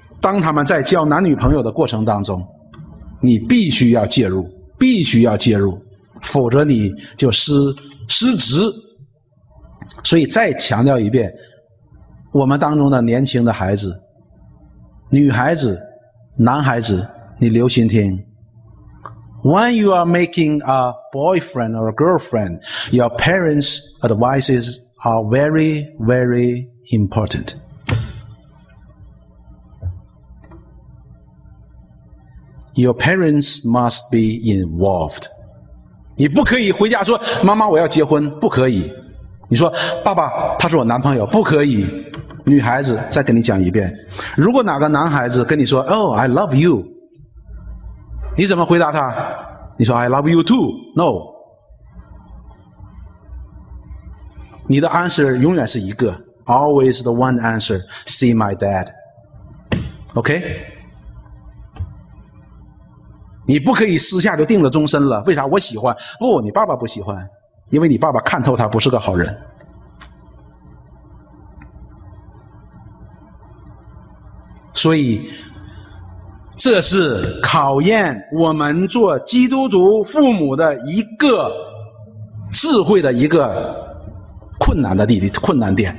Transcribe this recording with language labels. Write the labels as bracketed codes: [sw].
[zh] 当他们在交男女朋友的过程当中，你必须要介入，必须要介入，否则你就失职。所以再强调一遍，我们当中的年轻的孩子，女孩子男孩子，你留心听。 [en] When you are making a boyfriend or a girlfriend, your parents' advices are very, very important. Your parents must be involved. [zh] 你不可以回家说，妈妈我要结婚，不可以。你说，爸爸他是我男朋友，不可以。女孩子再跟你讲一遍，如果哪个男孩子跟你说 [en] Oh, I love you, [zh] 你怎么回答他？你说 [en] I love you too, no. [zh] 你的 [en] answer [zh] 永远是一个， [en] Always the one answer, see my dad. OK? [zh] 你不可以私下就定了终身了，为啥？我喜欢。不，你爸爸不喜欢，因为你爸爸看透他不是个好人。所以这是考验我们做基督徒父母的一个智慧的一个困难的困难点。